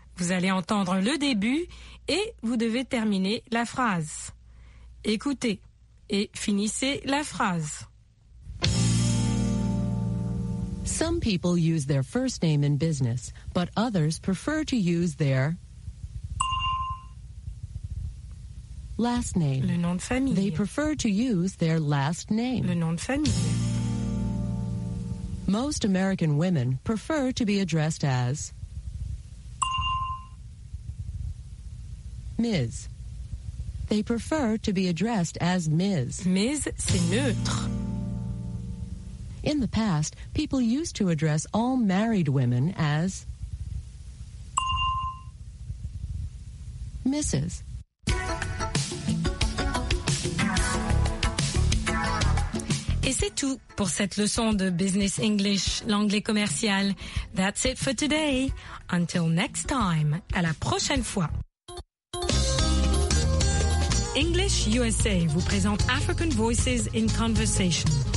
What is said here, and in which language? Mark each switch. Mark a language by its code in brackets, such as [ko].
[fr] Vous allez entendre le début et vous devez terminer la phrase. Écoutez et finissez la phrase. [en] Some people use their first name in business, but others prefer to use their last name. [fr] Le nom de famille. [en] They prefer to use their last name. [fr] Le nom de famille. [en] Most American women prefer to be addressed as Ms. They prefer to be addressed as Ms. [fr] Ms, c'est neutre. [en] In the past, people used to address all married women as Mrs. [fr] Et c'est tout pour cette leçon de Business English, l'anglais commercial. [en] That's it for today. Until next time, [fr] à la prochaine fois. English USA vous présente African Voices in Conversation.